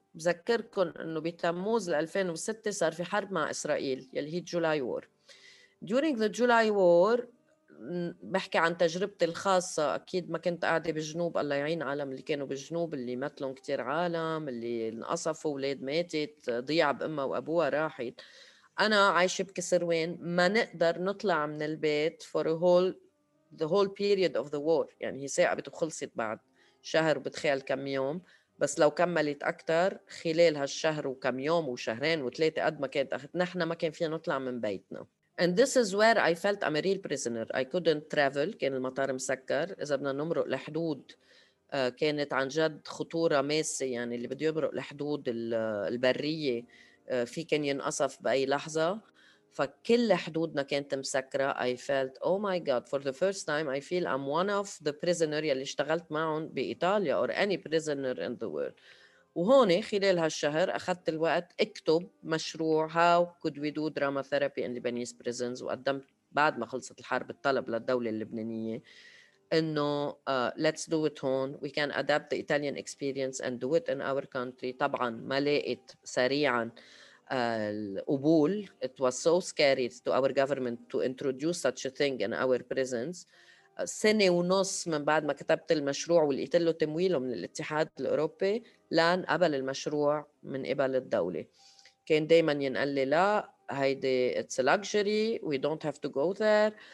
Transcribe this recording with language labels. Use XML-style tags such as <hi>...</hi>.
<ar>بذكركم انه بتموز 2006 صار في حرب مع اسرائيل يلي هي جولاي وور.</ar> <en>During the July War</en> <ar>بحكي عن تجربتي الخاصة، اكيد ما كنت قاعدة بجنوب، الله يعين عالم اللي كانوا بجنوب اللي مثلهم كتير عالم اللي انقصفوا، ولاد ماتت، ضيع بامها وابوها راحت. انا عايشة بكسروين، ما نقدر نطلع من البيت</ar> <en>for a whole the whole period of the war.</en> <ar>يعني هي ساعة بتخلصت بعد شهر بتخيل كم يوم، بس لو كملت أكتر خلال هالشهر وكم يوم وشهرين وثلاثة قد ما كانت أخذ، نحن ما كان فينا نطلع من بيتنا.</ar> <en>And this is where I felt I'm a real prisoner. I couldn't travel.</en> <ar>كان المطار مسكر. إذا بدنا نمرق الحدود كانت عن جد خطورة ماسة. يعني اللي بده يمرق الحدود البرية في كان ينقصف بأي لحظة. فكل حدودنا كانت مسكرة.</ar> <en>I felt oh my god for the first time I feel I'm one of the prisoner</en> <ar>يلي اشتغلت معهم بإيطاليا</ar> <en>or any prisoner in the world.</en> <ar>وهون خلال هالشهر أخذت الوقت اكتب مشروع</ar> <en>how could we do drama therapy in Lebanese prisons.</en> <ar>وقدمت بعد ما خلصت الحرب الطلب للدولة اللبنانية إنه</ar> <en>let's do it</en> <ar>هون.</ar> <en>We can adapt the Italian experience and do it in our country.</en> <ar>طبعا ما لقيت سريعا القبول.</ar> <en>It was so scary to our government to introduce such a thing in our prisons.</en> <ar>سنة ونص من بعد ما كتبت المشروع ولقيت له تمويله من الاتحاد الأوروبي لان قبل المشروع من قبل الدولة. كان دايما ينقل لي لا هيدي</ar> <en>it's a luxury we don't have to go there.</en>